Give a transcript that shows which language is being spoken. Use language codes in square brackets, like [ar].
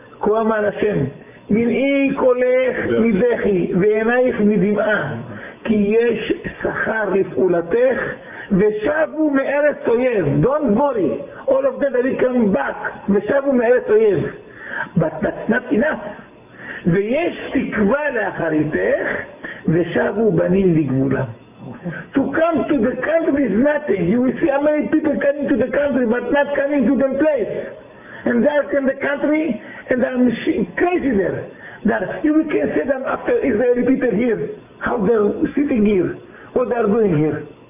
[he] כה אמר השם, מנעי קולך מדחי ועינייך מדמעה, כי יש שכר לפעולתך ושבו מארץ אויב. [en] Don't worry, all of that are coming back [he] ושבו מארץ אויב. [en] But that's not enough. [he] ויש תקווה לאחריתך ושבו בנים לגבולם. [en] To come to the country is nothing. You will see how many people coming to the country but not coming to the place. And they are in the country, and they are crazy there. That you can see them after Israeli people here, how they are sitting here, what they are doing here.